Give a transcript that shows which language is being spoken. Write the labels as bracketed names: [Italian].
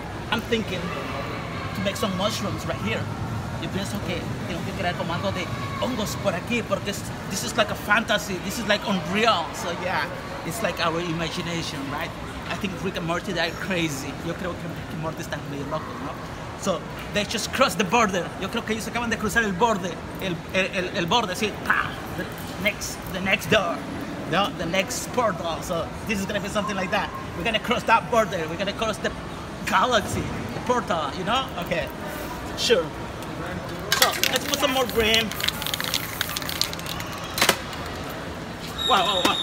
[English] I'm thinking to make some mushrooms right here. [Spanish] Yo pienso que tengo que crear como algo de hongos por aquí, porque [English] this is like a fantasy, this is like unreal. So yeah, it's like our imagination, right? I think Rick and Morty, they are crazy. [Spanish] Yo creo que Rick and Morty están medio locos, ¿no? [English] So they just crossed the border. [Spanish] Yo creo que ellos acaban de cruzar el borde, sí, ¡pam! [English] The next door, [Spanish] ¿no? [English] The next portal. So this is gonna be something like that. We're gonna cross that border, we're gonna cross the galaxy, the portal, you know? Okay, sure. So, let's put some more green. Wow.